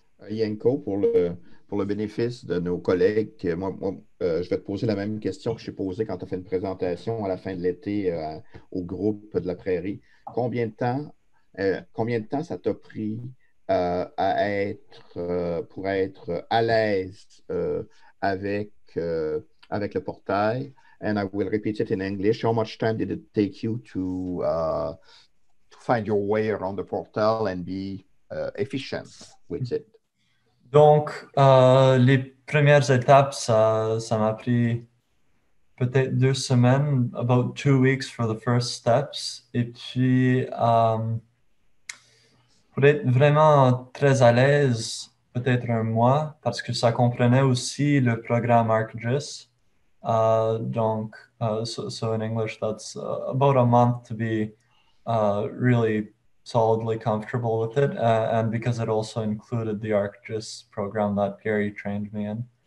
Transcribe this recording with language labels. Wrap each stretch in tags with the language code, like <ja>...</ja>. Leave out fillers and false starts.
<fr>Yanko, pour le bénéfice de nos collègues, moi, je vais te poser la même question que je t'ai posée quand tu as fait une présentation à la fin de l'été au groupe de la Prairie. Combien de temps ça t'a pris pour être à l'aise avec avec le portail.</fr> <en>And I will repeat it in English. How much time did it take you to find your way around the portal and be efficient with it?</en> <fr>Donc, les premières étapes, ça m'a pris peut-être 2 semaines,</fr> <en>about 2 weeks for the first steps.</en> <fr>Et puis, pour être vraiment très à l'aise, peut-être 1 mois, parce que ça comprenait aussi le programme ArcGIS.</fr> <en>So in English, that's about a month to be really solidly comfortable with it, and because it also included the ArcGIS program that Gary trained me in.</en>